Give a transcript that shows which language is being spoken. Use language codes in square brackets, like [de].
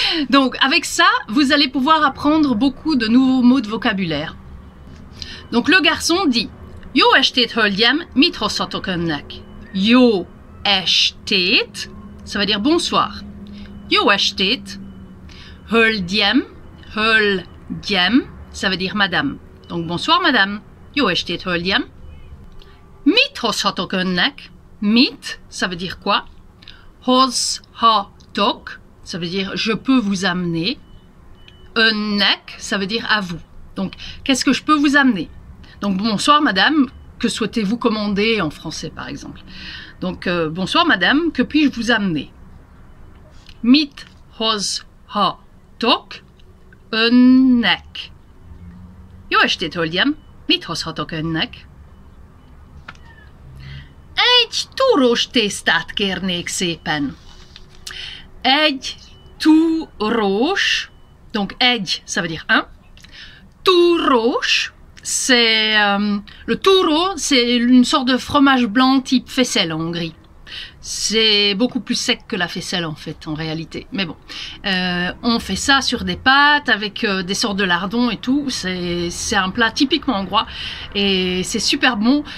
[fr] Donc avec ça, vous allez pouvoir apprendre beaucoup de nouveaux mots de vocabulaire. Donc le garçon dit... [hu] Jó estét, hölgyem, mit hozhatok önnek? Jó estét, [fr] ça veut dire bonsoir. [hu] Jó estét, hölgyem, hölgyem, [fr] ça veut dire madame. Donc bonsoir madame, [hu] jó estét, hölgyem. Mit hozhatok önnek? [fr] Mit, ça veut dire quoi? Hozhatok, ça veut dire je peux vous amener. Önnek, ça veut dire à vous. Donc qu'est-ce que je peux vous amener? Donc bonsoir madame, que souhaitez-vous commander en français par exemple? Donc bonsoir madame, que puis-je vous amener? [hu] Mit hoz ha tok önnek. Jó estét, hölgyem, mit hozhatok önnek? Egy túrós tésztát kérnék szépen. Egy túrós, [fr] donc egy, ça veut dire un, túrós. C'est le touro, c'est une sorte de fromage blanc type faisselle en Hongrie. C'est beaucoup plus sec que la faisselle en fait, en réalité. Mais bon, on fait ça sur des pâtes avec des sortes de lardons et tout. C'est un plat typiquement hongrois et c'est super bon.